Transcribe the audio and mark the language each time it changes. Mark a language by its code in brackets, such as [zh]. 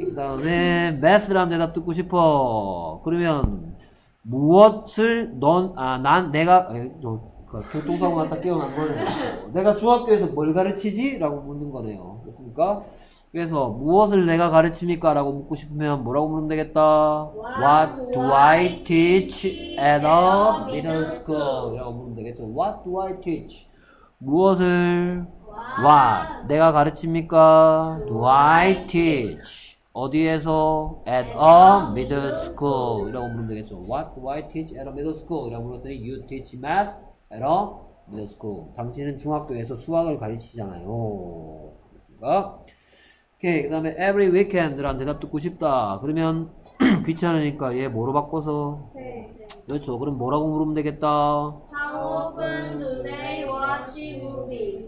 [ko] 그 다음에 math라는 대답 듣고 싶어. 그러면 무엇을 교통사고 났다 깨어난 거네요. 내가 중학교에서 뭘 가르치지? 라고 묻는 거네요. 그렇습니까? 그래서 무엇을 내가 가르칩니까? 라고 묻고 싶으면 뭐라고 물으면 되겠다? [en] What do I teach at a middle school? [ko] 라고 물으면 되겠죠. [en] What do I teach? [ko] 무엇을? [en] What? [ko] 내가 가르칩니까? [en] Do I teach? [ko] 어디에서? [en] At a middle school. [ko] 이라고 부르면 되겠죠. [en] What do I teach at a middle school? [ko] 이라고 물었더니 [en] You teach math at a middle school. [ko] 당신은 중학교에서 수학을 가르치잖아요. 그렇습니까? 오케이. 그 다음에 [en] every weekend [ko] 란 대답 듣고 싶다. 그러면 귀찮으니까 얘 뭐로 바꿔서? 네. 그렇죠. 그럼 뭐라고 물으면 되겠다? [en] How often do they watch movies?